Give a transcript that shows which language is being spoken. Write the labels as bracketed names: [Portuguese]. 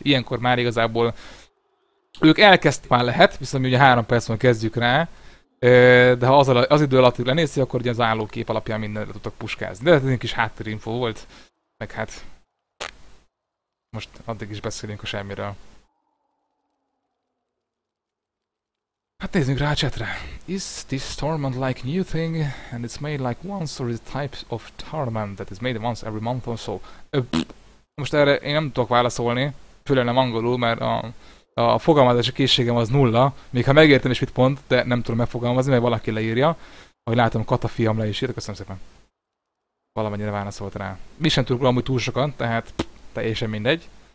[Hungarian] Ilyenkor már igazából ők elkezdték már lehet, viszont mi ugye 3 percben kezdjük rá, de ha az idő alatt lenézi, akkor ugye az állókép alapján mindenre tudtak puskázni. De ez egy kis háttérinfo volt, meg hát most addig is beszélünk a semmiről. Hát nézzünk rá a chatre. [English] Is this torment like new thing and it's made like once or is it type of torment that is made once every month or so? [Hungarian] Most erre én nem tudok válaszolni, főleg nem angolul, mert a fogalmazási készségem az nulla, még ha megértem is mit pont, de nem tudom megfogalmazni, mert valaki leírja. Ahogy látom, Kata fiam le is írt, köszönöm szépen. Valamennyire válaszolt rá. Mi sem tudunk amúgy túl sokan, tehát teljesen mindegy.